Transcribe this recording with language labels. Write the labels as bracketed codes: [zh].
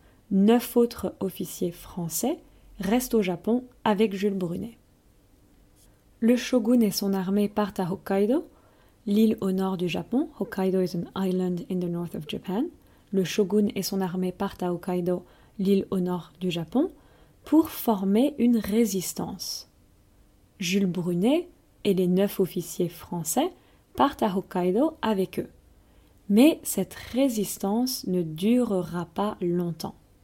[fr] 9 autres officiers français restent au Japon avec Jules Brunet. Le shogun et son armée partent à Hokkaido, l'île au nord du Japon. [en] Hokkaido is an island in the north of Japan. [fr] Le shogun et son armée partent à Hokkaido, l'île au nord du Japon, pour former une résistance. Jules Brunet et les 9 officiers français partent à Hokkaido avec eux. Mais cette résistance ne durera pas longtemps.